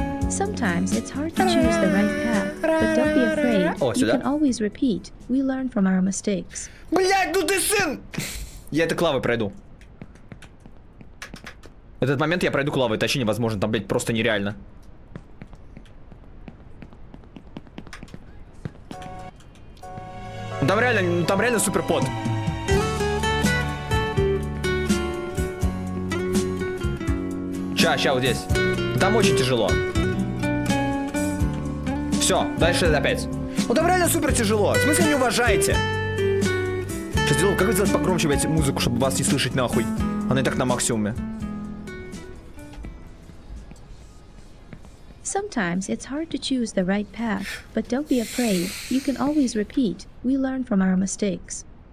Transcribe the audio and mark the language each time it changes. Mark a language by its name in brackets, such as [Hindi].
[English] Sometimes it's hard to choose the right path, but don't be afraid. You can always repeat. We learn from our mistakes. [Russian] Блять, ну ты сын! Я это клавы пройду. Этот момент я пройду клавы, это вообще невозможно, там, блядь, просто нереально. Там реально супер под. Ща, вот здесь. Там очень тяжело. Все, дальше опять. Ну там реально супер тяжело, в смысле не уважаете? Сейчас сделаю, как сделать погромче, блядь, музыку, чтобы вас не слышать нахуй? Она и так на максимуме. [English] Sometimes it's hard to choose the right path, but don't be afraid. You can always repeat. We learn from our mistakes.